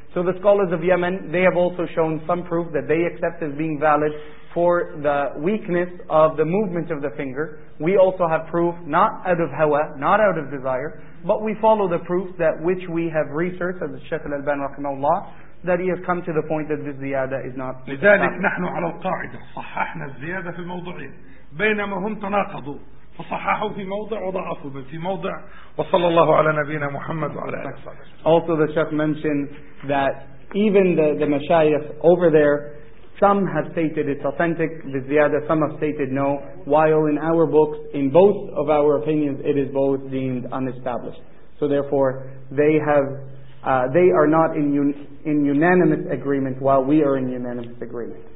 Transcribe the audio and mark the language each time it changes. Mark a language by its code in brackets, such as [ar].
[en] So the scholars of Yemen, they have also shown some proof that they accept as being valid for the weakness of the movement of the finger. We also have proof, not out of hawa, not out of desire, but we follow the proof that which we have researched, as the Shaykh al-Alban rahimahullah, that he has come to the point that this ziyada is not. [ar] لذلك نحن على القاعدة صححنا الزيادة في الموضوعين بينما هم تناقضوا فصححوا في موضع وضعفوا في موضع وصلى الله على نبينا محمد وعلى آله وصحبه. [en] Also the Sheikh mentions that even the mashayikh over there, some have stated it's authentic the ziyada, some have stated no, while in our books, in both of our opinions, it is both deemed unestablished. So therefore they have they are not in unanimous agreement while we are in unanimous agreement.